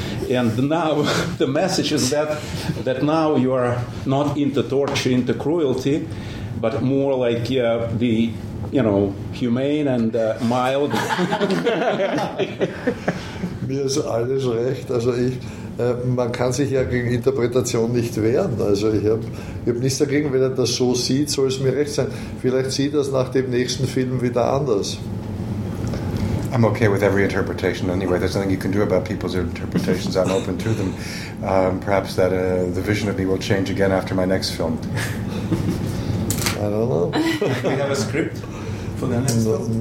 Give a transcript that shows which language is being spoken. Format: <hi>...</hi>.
<en>And now the message is that now you are not into torture, into cruelty, but more like the, you know, humane and mild.</en> <de>Mir ist alles recht. Also man kann sich ja gegen Interpretation nicht wehren. Also ich hab nichts dagegen, wenn er das so sieht, soll es mir recht sein. Vielleicht sieht er es nach dem nächsten Film wieder anders.</de> <en>I'm okay with every interpretation anyway. There's nothing you can do about people's interpretations. I'm open to them. Perhaps that the vision of me will change again after my next film. I don't know. Do you have a script for the next film?</en>